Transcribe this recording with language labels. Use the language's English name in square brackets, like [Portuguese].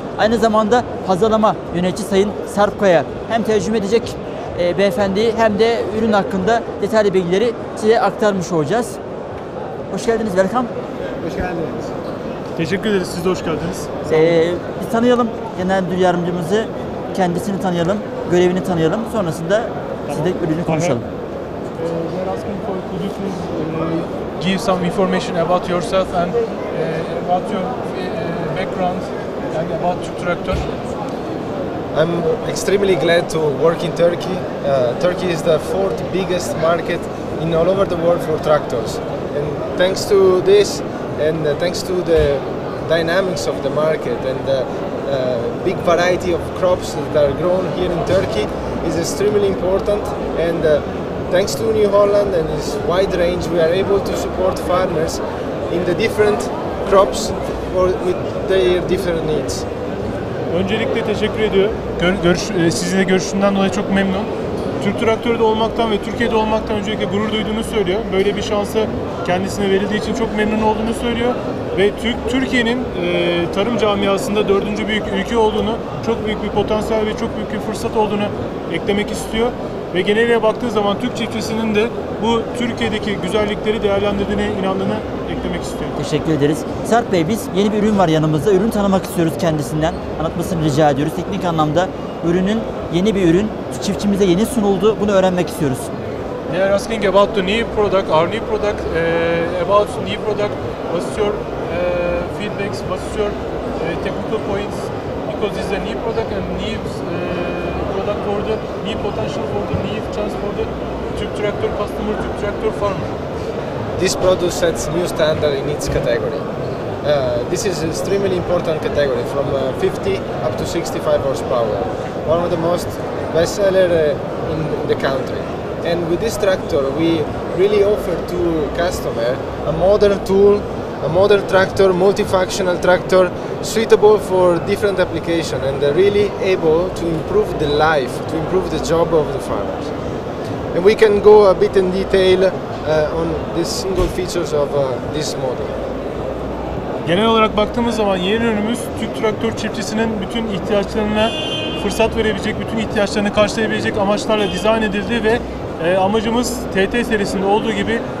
[Turkish] Aynı zamanda pazarlama yönetici Sayın Sarp Koya. Hem tercüme edecek beyefendi hem de ürün hakkında detaylı bilgileri size aktarmış olacağız. Hoş geldiniz Berkan. Hoş geldiniz. Teşekkür ederiz. Siz de hoş geldiniz. Bir tanıyalım genel müdür yardımcımızı. Kendisini tanıyalım. Görevini tanıyalım. Sonrasında Tamam. Sizle ürünü konuşalım. [English] We're asking for could you please give some information about yourself and about your background and about your tractor. I'm extremely glad to work in Turkey. Turkey is the fourth biggest market in all over the world for tractors. And thanks to this, and thanks to the dynamics of the market and the big variety of crops that are grown here in Turkey, is extremely important. And thanks to New Holland and its wide range, we are able to support farmers in the different crops or with their different needs. [Turkish] Öncelikle teşekkür ediyorum. Sizinle görüşümden dolayı çok memnun. Türk Traktör'de olmaktan ve Türkiye'de olmaktan öncelikle gurur duyduğunu söylüyor. Böyle bir şansı kendisine verildiği için çok memnun olduğunu söylüyor. Ve Türkiye'nin tarım camiasında dördüncü büyük ülke olduğunu, çok büyük bir potansiyel ve çok büyük bir fırsat olduğunu eklemek istiyor. Ve geneliye baktığı zaman Türk çiftçisinin de bu Türkiye'deki güzellikleri değerlendirdiğine inandığını eklemek istiyorum. Teşekkür ederiz. Sarp Bey, biz yeni bir ürün var yanımızda. Ürünü tanımak istiyoruz kendisinden. Anlatmasını rica ediyoruz. Teknik anlamda ürünün yeni bir ürün. Çiftçimize yeni sunuldu. Bunu öğrenmek istiyoruz. [English] We are asking about the new product, our new product, about new product. What's your feedbacks? What's your technical points? Because this is a new product and new product for the new potential for the new chance for the Türk Traktör customer, Türk Traktör farmer. This product sets new standard in its category. This is an extremely important category from 50 up to 65 horsepower. One of the most bestseller in the country. And with this tractor we really offer to customer a modern tool, a modern tractor, multifunctional tractor suitable for different application and really able to improve the life, to improve the job of the farmers. And we can go a bit in detail on the single features of this model. [Turkish] Genel olarak baktığımız zaman yeni ürünümüz Türk Traktör çiftçisinin bütün ihtiyaçlarına fırsat verebilecek, bütün ihtiyaçlarını karşılayabilecek amaçlarla dizayn edildi ve amacımız TT serisinde olduğu gibi